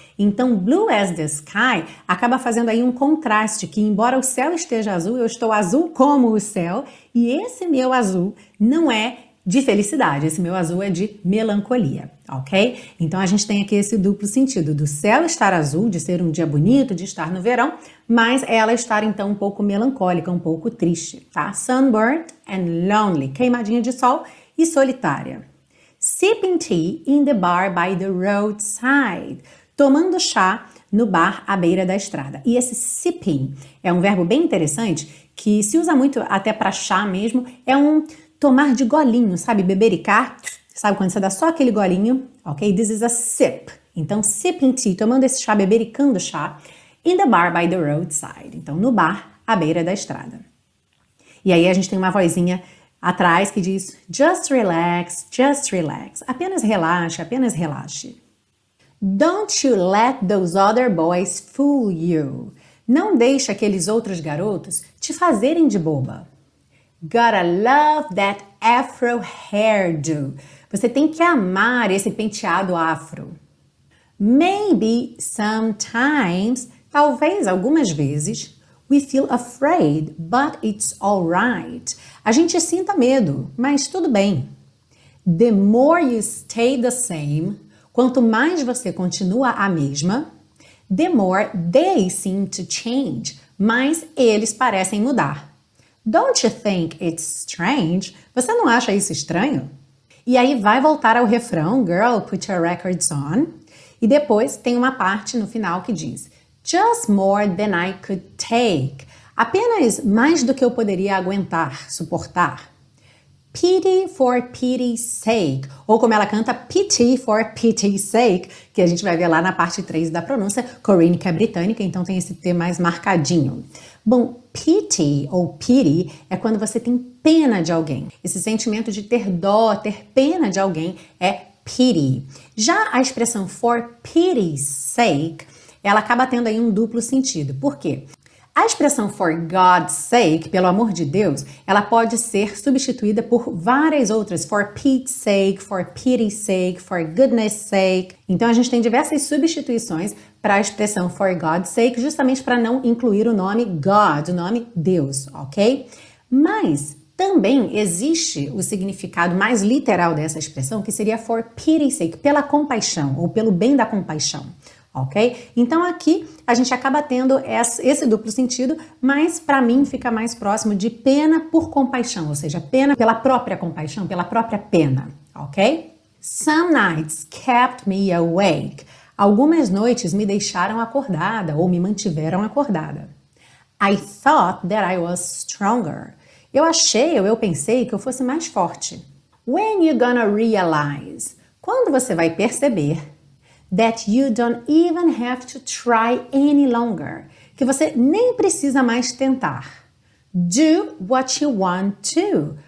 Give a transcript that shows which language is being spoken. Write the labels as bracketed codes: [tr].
[pt] Então, [en] blue as the sky [pt] acaba fazendo aí um contraste, que embora o céu esteja azul, eu estou azul como o céu, e esse meu azul não é de felicidade, esse meu azul é de melancolia, ok? Então a gente tem aqui esse duplo sentido do céu estar azul, de ser um dia bonito, de estar no verão, mas ela estar então um pouco melancólica, um pouco triste, tá? [en] Sunburned and lonely, [pt] queimadinha de sol e solitária. [en] Sipping tea in the bar by the roadside. [pt] Tomando chá no bar à beira da estrada. E esse sipping é um verbo bem interessante que se usa muito até para chá mesmo, é um tomar de golinho, sabe? Bebericar, sabe quando você dá só aquele golinho, ok? [en] This is a sip. [pt] Então, [en] sipping tea, [pt] tomando esse chá, bebericando chá, [en] in the bar by the roadside. [pt] Então, no bar, à beira da estrada. E aí a gente tem uma vozinha atrás que diz, [en] just relax, just relax. [pt] Apenas relaxe, apenas relaxe. [en] Don't you let those other boys fool you. [pt] Não deixe aqueles outros garotos te fazerem de boba. [en] Gotta love that afro hairdo. [pt] Você tem que amar esse penteado afro. [en] Maybe sometimes, [pt] talvez algumas vezes, [en] we feel afraid, but it's alright. [pt] A gente sinta medo, mas tudo bem. [en] The more you stay the same, [pt] quanto mais você continua a mesma, [en] the more they seem to change, [pt] mais eles parecem mudar. [en] Don't you think it's strange? [pt] Você não acha isso estranho? E aí vai voltar ao refrão, [en] girl, put your records on. [pt] E depois tem uma parte no final que diz, [en] just more than I could take. [pt] Apenas mais do que eu poderia aguentar, suportar. [en] Pity for pity's sake. [pt] Ou como ela canta, [en] pity for pity's sake, [pt] que a gente vai ver lá na parte 3 da pronúncia. Corinne, que é britânica, então tem esse T mais marcadinho. Bom, pity ou pity é quando você tem pena de alguém. Esse sentimento de ter dó, ter pena de alguém é pity. Já a expressão [en] for pity's sake, [pt] ela acaba tendo aí um duplo sentido. Por quê? A expressão [en] for God's sake, [pt] pelo amor de Deus, ela pode ser substituída por várias outras. [en] For Pete's sake, for pity's sake, for goodness sake. [pt] Então a gente tem diversas substituições para a expressão [en] for God's sake, [pt] justamente para não incluir o nome God, o nome Deus, ok? Mas também existe o significado mais literal dessa expressão, que seria [en] for pity's sake, [pt] pela compaixão ou pelo bem da compaixão, ok? Então aqui a gente acaba tendo esse duplo sentido, mas para mim fica mais próximo de pena por compaixão, ou seja, pena pela própria compaixão, pela própria pena, ok? [en] Some nights kept me awake. [pt] Algumas noites me deixaram acordada ou me mantiveram acordada. [en] I thought that I was stronger. [pt] Eu achei ou eu pensei que eu fosse mais forte. [en] When you gonna realize? [pt] Quando você vai perceber [en] that you don't even have to try any longer? [pt] Que você nem precisa mais tentar. [en] Do what you want to.